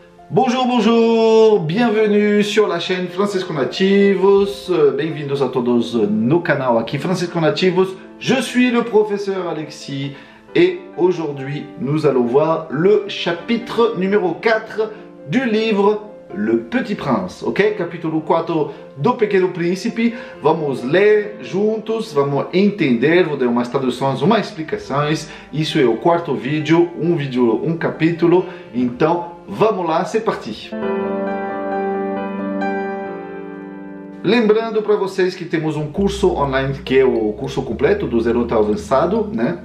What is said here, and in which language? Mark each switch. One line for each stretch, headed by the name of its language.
French: Bonjour, bonjour, bienvenue sur la chaîne Francisco Nativos.
Portuguese: Bem-vindos a todos no canal aqui Francisco Nativos.
French: Je suis le professeur Alexis et aujourd'hui nous allons voir le chapitre numéro 4 du livre Le Petit Prince, ok?
Portuguese: Capítulo 4 do Pequeno Príncipe. Vamos ler juntos, vamos entender, vou dar umas traduções, umas explicações. Isso é o quarto vídeo, um vídeo, um capítulo. Então, vamos lá,
French: c'est parti!
Portuguese: Lembrando para vocês que temos um curso online, que é o curso completo do Zero ao Avançado, né?